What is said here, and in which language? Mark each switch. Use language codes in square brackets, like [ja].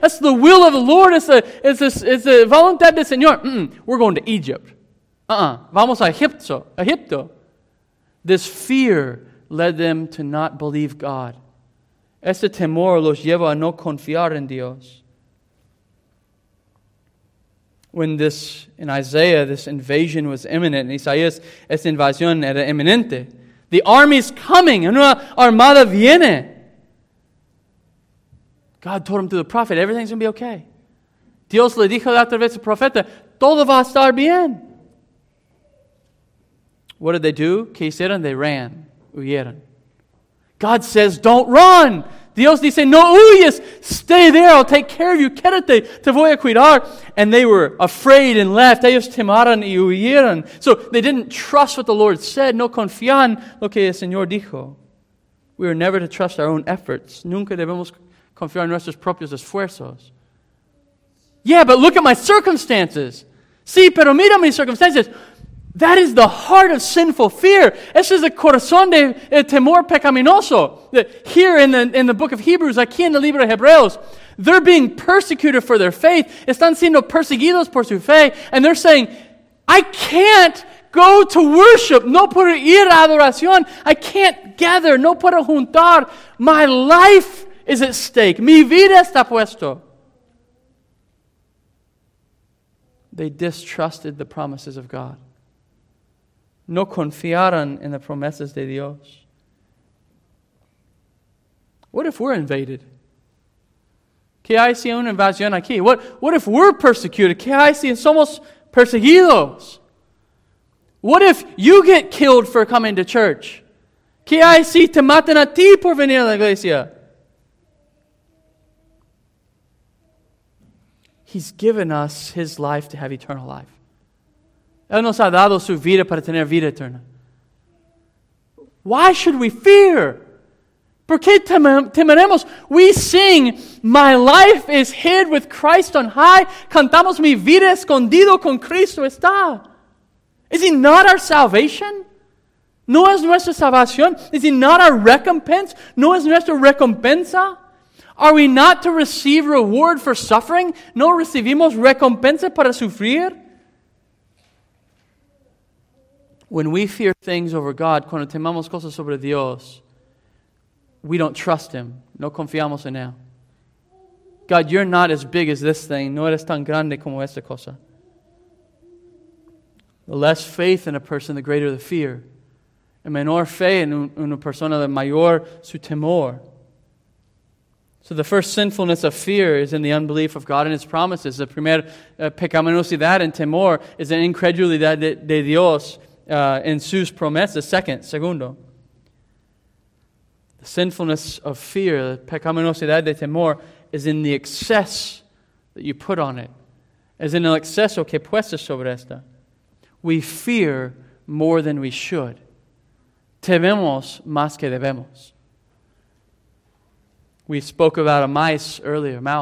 [en] That's the will of the Lord. It's the [es] voluntad del Señor. [en] Mm-mm. We're going to Egypt. [es] Vamos a Egipto. [en] This fear led them to not believe God. [es] Este temor los lleva a no confiar en Dios. [en] When this, in Isaiah, this invasion was imminent, in Isaías, [es] esta invasión era inminente. [en] The army's coming. [es] Una armada viene. [en] God told him through the prophet, everything's going to be okay. [es] Dios le dijo a través del profeta, todo va a estar bien. [en] What did they do? [es] ¿Qué hicieron? [en] They ran. [es] Huyeron. [en] God says, don't run. [es] Dios dice, no huyes. [en] Stay there. I'll take care of you. [es] Quédate. Te voy a cuidar. [en] And they were afraid and left. [es] Ellos temaron y huyeron. [en] So they didn't trust what the Lord said. [es] No confían lo que el Señor dijo. [en] We are never to trust our own efforts. [es] Nunca debemos confiar en nuestros propios esfuerzos. [en] Yeah, but look at my circumstances. [es] Sí, pero mira mis circunstancias. [en] That is the heart of sinful fear. [es] Ese es el corazón de temor pecaminoso. [en] Here in the book of Hebrews, [es] aquí en el libro de Hebreos, [en] they're being persecuted for their faith. [es] Están siendo perseguidos por su fe. [en] And they're saying, I can't go to worship. [es] No puedo ir a adoración. [en] I can't gather. [es] No puedo juntar. [en] My life is at stake. [es] Mi vida está puesto. [en] They distrusted the promises of God. [es] No confiaron en las promesas de Dios. [en] What if we're invaded? [es] ¿Qué hay si una invasión aquí? [en] What if we're persecuted? [es] ¿Qué hay si somos perseguidos? [en] What if you get killed for coming to church? [es] ¿Qué hay si te matan a ti por venir a la iglesia? [en] He's given us his life to have eternal life. [es] Él nos ha dado su vida para tener vida eterna. [en] Why should we fear? [es] ¿Por qué temeremos? [en] We sing, my life is hid with Christ on high. [es] Cantamos, mi vida escondido con Cristo está. [en] Is he not our salvation? [es] ¿No es nuestra salvación? [en] Is he not our recompense? [es] ¿No es nuestra recompensa? [en] Are we not to receive reward for suffering? [es] ¿No recibimos recompensa para sufrir? [en] When we fear things over God, [es] cuando temamos cosas sobre Dios, [en] we don't trust him. [es] No confiamos en él. [en] God, you're not as big as this thing. [es] No eres tan grande como esta cosa. [en] The less faith in a person, the greater the fear. [es] El menor fe en una persona, la mayor su temor. [en] So the first sinfulness of fear is in the unbelief of God and his promises. [es] The primer pecaminosidad en temor is an incredulidad de Dios en sus promesas. Segundo. [en] The sinfulness of fear, the [es] pecaminosidad de temor, [en] is in the excess that you put on it. [es] Es en el exceso que puestas sobre esta. [en] We fear more than we should. [es] Tememos más que debemos. [en] We spoke about a mouse earlier.